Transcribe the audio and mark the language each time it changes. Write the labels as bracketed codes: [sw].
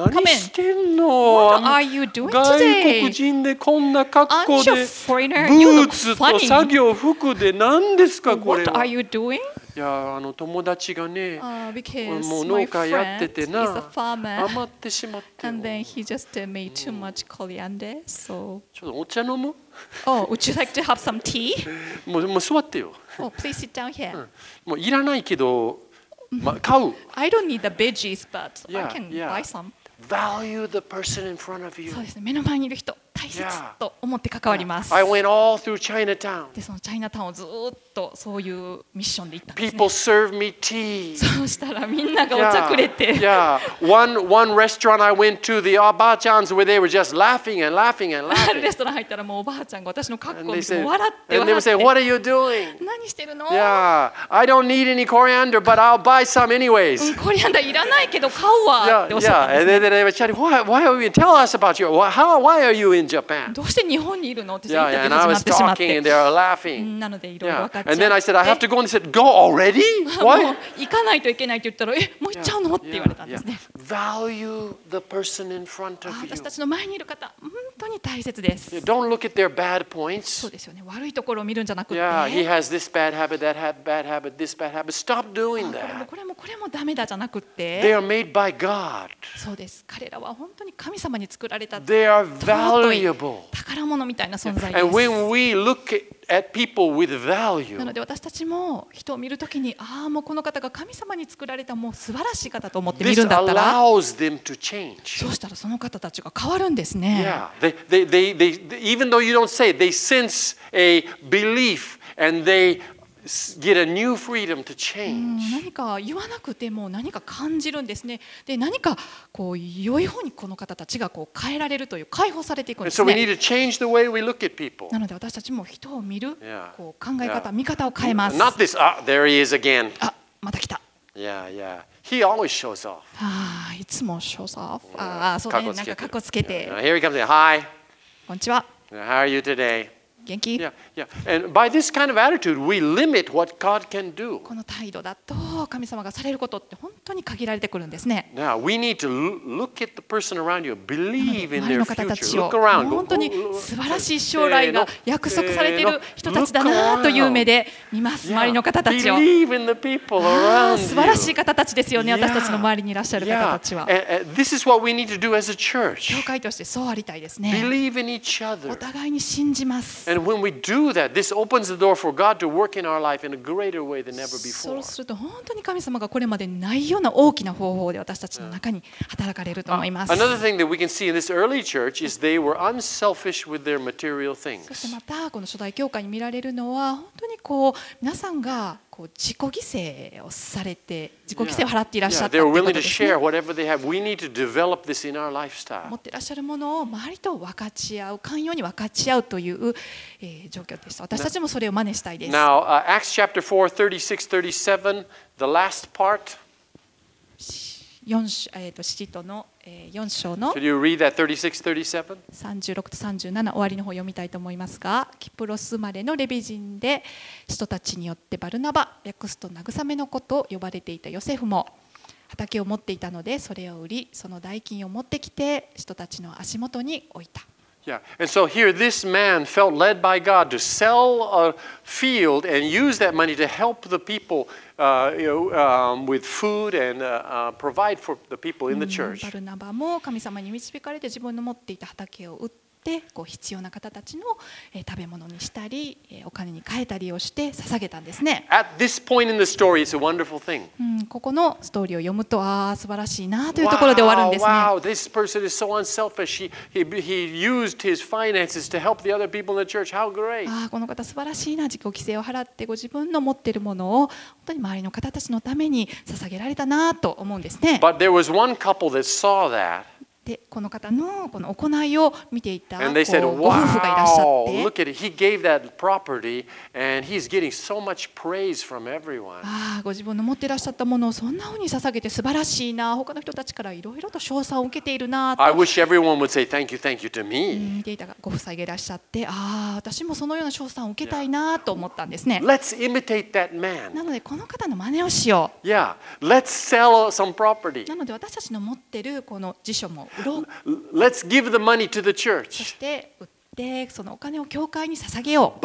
[en] Come in. [ja] 何してんの [en] ？What are you doing today? [ja] 外国人でこんな格好で、ブーツと作業服で何ですかこれは [en] ？What are you doing? [ja] やあの友達がね、もう農家やっててな、余ってしまって。 [en] And then he just made too much coriander, so. [ja] ちょっとお茶飲む？ [en] Oh, would you like to have some tea? [ja] もう座ってよ。 [en] Oh, please sit down here. [ja] もういらないけど、ま、買う。 [en] I don't need the veggies, but yeah, I can buy some. Value the person in front of you. [ja] そうですね、目の前にいる人。大切と思って関わります。 [en] Yeah. I went all through Chinatown. [ja] でそのチャイナタウンをずっとそういうミッションで行ったんですね。 [en] People serve me tea. [ja] そうしたらみんながお茶くれて。 [en] Yeah. Yeah. One restaurant I went to, the abachans where they were just laughing and laughing and laughing. [ja] レストラン入ったらもうおばあちゃんが私の格好を見て笑って笑って。 [en] And they would say, "What are you doing?" [ja] 何してるの [en] ？Yeah. I don't need any coriander, but I'll buy some anyways. [ja] コリアンダーいらないけど買うわ。 [en] Yeah. And then they would say, "Why are you? Tell us about you. Why are you in?" Japan. [ja] どうして日本にいるの？って言ってくれてしまって、 [en] yeah, yeah, [ja] みんなのでいろいろ分かっちゃう。 [en] And then I said I have to go and said go already? Why? [ja] 行かないといけないって言ったら、もう行っちゃうの？って言われたんですね。 [en] Value the person in front of you. [ja] 私たちの前にいる方、本当に大切です。 [en] Yeah, don't look at their bad points. [ja] そうですよね。悪いところを見るんじゃなくて、 [en] yeah, he has this bad habit, that bad habit, this bad habit. Stop doing that. [ja] これもダメだじゃなくて、 [en] they are made by God. [ja] そうです。彼らは本当に神様に作られた。 [en] They are valuable. [ja] 宝物みたいな存在です。 [en] And when we look at people with value, [ja] なので私たちも人を見るときに、ああもうこの方が神様に作られたもう素晴らしい方と思って見るんだったら、 [en] this allows them to change. [ja] そうしたらその方たちが変わるんですね。 [en] Yeah, they even though you don't say, they sense a belief and they get a new freedom to change. [ja] 何か言わなくても何か感じるんですね。で何かこう良い方にこの方たちがこう変えられるという解放されていくんですね。 [en] So we need to change the way we look at people. [ja] なので私たちも人を見るこう考え方、見方を変えます。 [en] Not this. Ah, there he is again. [ja] あ、また来た。 [en] Yeah, yeah. He always shows off. [ja] いつも [en] shows off. [ja] Ah, そうね。なんかカッコつけて。 [en] Here he comes in. Hi. [ja] こんにちは。 [en] How are you today? [ja] 元気? [en] Yeah, yeah. And by this kind of attitude, we limit what God can do. [ja] この態度だと神様がされることって本当に限られてくるんですね。 [en] Now we need to look at the person around you, believe in their future. Look around. [ja] 本当に素晴らしい将来が約束されている人たちだなという目で見ます。周りの方たちを。 [en] Believe in the people around you. [ja] 素晴らしい方たちですよね。私たちの周りにいらっしゃる方たちは。 [en] This is what we need to do as a church. [ja] 教会としてそうありたいですね。 [en] Believe in each other. [ja] お互いに信じます。 [en] And when we do that, this opens the door for God to work in our life in a greater way than ever before. [ja] そうすると本当に神様がこれまでないような大きな方法で私たちの中に働かれると思います。 [en] Another thing that we can see in this early church is they were unselfish with their material things. [ja] そしてまたこの初代教会に見られるのは本当にこう皆さんが自己犠牲をされて自己犠牲を払っていらっしゃったということですね。 [en] They're willing to share whatever they have. We need to develop this in our lifestyle. [ja] 持っていらっしゃるものを周りと分かち合う、寛容に分かち合うという状況です。私たちもそれを真似したいです。 [en] Now, Acts chapter 4, 36, 37, the last part. [ja] 使徒の4章の36と37終わりの方を読みたいと思いますが、キプロス生まれのレビ人で人たちによってバルナバ、略すと慰めの子と呼ばれていたヨセフも畑を持っていたので、それを売りその代金を持ってきて人たちの足元に置いた。 [en] Yeah. And so here this man felt led by God to sell a field and use that money to help the people, with food and provide for the people in the church. [ja] バルナバも神様に導かれて自分の持っていた畑を売ってこう必要な方たちの食べ物にしたりお金に変えたりをして捧げたんですね。 [en] At this point in the story, it's a wonderful thing. [ja] ここのストーリーを読むと、ああ素晴らしいなというところで終わるんですね。 [en] Wow, this person is so unselfish. He used his finances to help the other people in the church. How great! [ja] ああこの方素晴らしいな。自己犠牲を払ってご自分の持っているものを本当に周りの方たちのために捧げられたなと思うんですね。 [en] But there was one couple that saw that. [ja] でこの方のこの行いを見ていたご夫婦がいらっしゃって、 [en] wow, look at it. He gave that property and he's getting so much praise from everyone. [ja] ああ、ご自分の持っていらっしゃったものをそんなふうに捧げて素晴らしいな。他の人たちからいろいろと賞賛を受けているなと。 [en] I wish everyone would say thank you, thank you to me. [ja] 見ていたご夫妻がいらっしゃって、ああ、私もそのような賞賛を受けたいなと思ったんですね。 [en] Let's imitate that man. [ja] なのでこの方の真似をしよう。 [en] Yeah, let's sell some property. [ja] なので私たちの持ってるこの辞書も。 [en] Let's give the money to the church. [ja] そして売ってそのお金を教会に捧げよう。